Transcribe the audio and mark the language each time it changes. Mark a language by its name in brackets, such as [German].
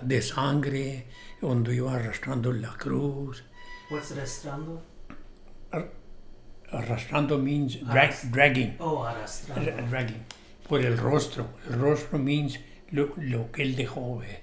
[Spanish] De sangre, donde iba arrastrando la cruz. [English] What's arrastrando? Arrastrando means dragging. Oh, arrastrando. Dragging. [Spanish] Por el rostro. El rostro means lo que él dejó.